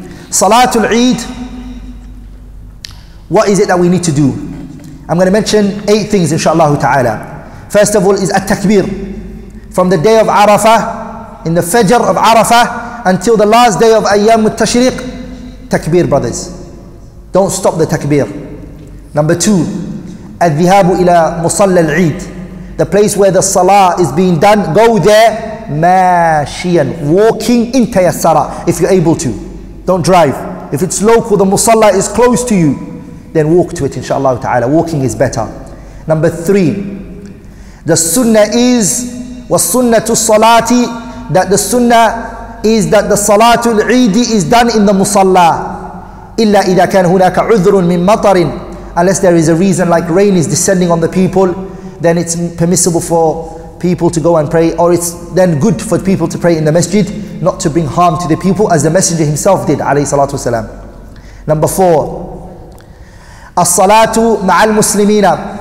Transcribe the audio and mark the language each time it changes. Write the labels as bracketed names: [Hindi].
[English] Salatul Eid, what is it that we need to do? I'm going to mention eight things inshallah ta'ala. First of all is At-Takbir. From the day of Arafah, in the Fajr of Arafah, until the last day of Ayyam al-Tashriq, Takbir, brothers. Don't stop the Takbir. Number two, [Arabic] الذهاب إلى مصلى العيد. [English] The place where the salah is being done, go there ماشياً, walking in تيسرا, if you're able to. Don't drive. If it's local, the musalla is close to you, then walk to it inshallah ta'ala. Walking is better. Number three, the sunnah is [Arabic] وَالسُنَّةُ الصَّلَاةِ. [English] That the sunnah is that the salatu al-eid is done in the musalla. [Arabic] إلا إذا كان هناك عذر من مطر. [English] Unless there is a reason, like rain is descending on the people, then it's permissible for people to go and pray, or it's then good for people to pray in the masjid, not to bring harm to the people, as the messenger himself did, alayhi salatu wasalam. Number four, [Arabic] as-salatu ma'al muslimina.